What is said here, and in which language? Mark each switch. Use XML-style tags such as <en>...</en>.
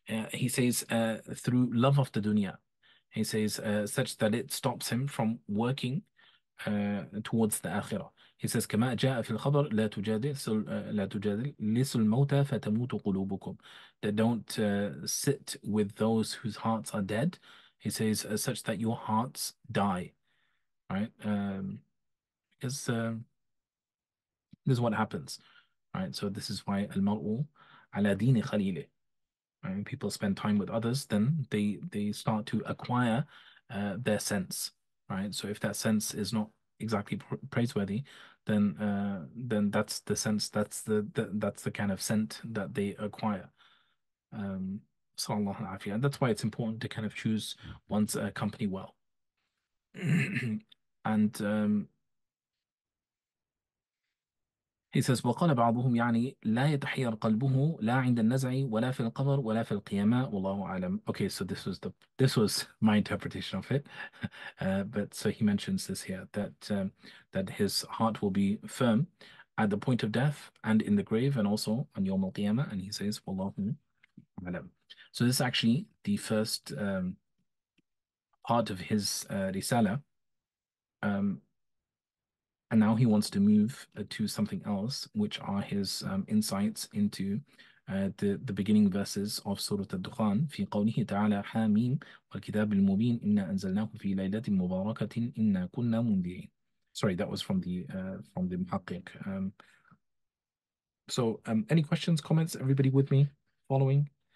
<en>he says, through love of the dunya. He says, such that it stops him from working towards the akhirah. He says,</en> <ar>كما جاء في الخبر لا تجادل لا تجادل لس الموتى فتموت قلوبكم.</ar> <en>That don't sit with those whose hearts are dead. He says, such that your hearts die. Right? This is what happens. Right? So this is why</en> <ar>المرء على دين خليله.</ar> <en>When people spend time with others, then they start to acquire their sense, right? So if that sense is not exactly praiseworthy, then that's the sense, that's the kind of scent that they acquire. Sallallahu alaihi wasallam. And that's why it's important to kind of choose one's company well. And He says,</en> <ar>وقال بعضهم يعني لا يتحير قلبه لا عند النزع ولا في القبر ولا في القيامة والله أعلم.</ar> <en>Okay, so this was my interpretation of it. But so he mentions this here that that his heart will be firm at the point of death and in the grave and also on يوم القيامة. And he says,</en> <ar>والله أعلم.</ar> <en>So this is actually the first part of his risala. And now he wants to move to something else, which are his insights into the beginning verses of Surah Al-Dukhan.</en> <ar>في قوله تعالى حاميم والكتاب المبين إنا أنزلناه في ليلة مباركة إنا كنا منذرين.</ar> <en>Sorry, that was from the محقق. So, any questions, comments? Everybody with me? Following?</en>